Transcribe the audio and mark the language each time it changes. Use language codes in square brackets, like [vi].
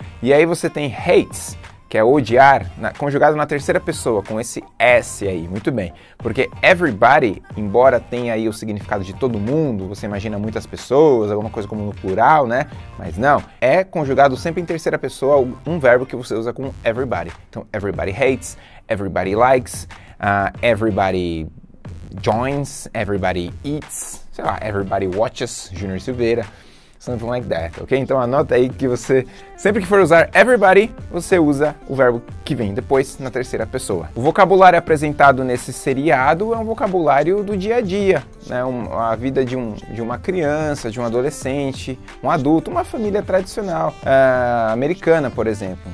[pt] E aí você tem hates, que é odiar, conjugado na terceira pessoa, com esse S aí, muito bem. Porque everybody, embora tenha aí o significado de todo mundo, você imagina muitas pessoas, alguma coisa como no plural, né? Mas não, é conjugado sempre em terceira pessoa, um verbo que você usa com everybody. Então, [en] everybody hates, everybody likes, everybody joins, everybody eats, [pt] sei lá, [en] everybody watches, [pt] Junior Silveira. [en] Something like that, ok? [pt] Então anota aí que você, sempre que for usar everybody, você usa o verbo que vem depois na terceira pessoa. O vocabulário apresentado nesse seriado é um vocabulário do dia a dia, né? A vida de uma criança, de um adolescente, um adulto, uma família tradicional, americana, por exemplo.